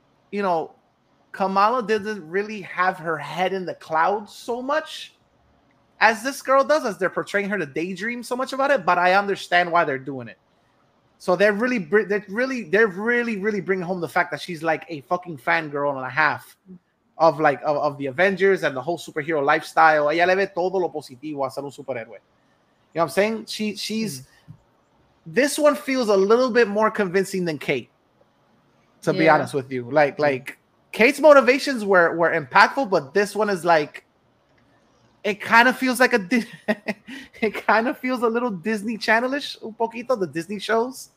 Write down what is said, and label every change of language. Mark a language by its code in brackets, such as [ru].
[en] You know, Kamala didn't really have her head in the clouds so much. As this girl does, as they're portraying her to daydream so much about it, but I understand why they're doing it. So they're really bringing home the fact that she's like a fucking fangirl and a half of like of the Avengers and the whole superhero lifestyle. [es] Ella le ve todo lo positivo a ser un superhéroe. [en] You know what I'm saying? She's this one feels a little bit more convincing than Kate, to be honest with you. Like Kate's motivations were impactful, but this one is like. It kind of feels like a little Disney Channel-ish, [es] un poquito, [en] the Disney shows.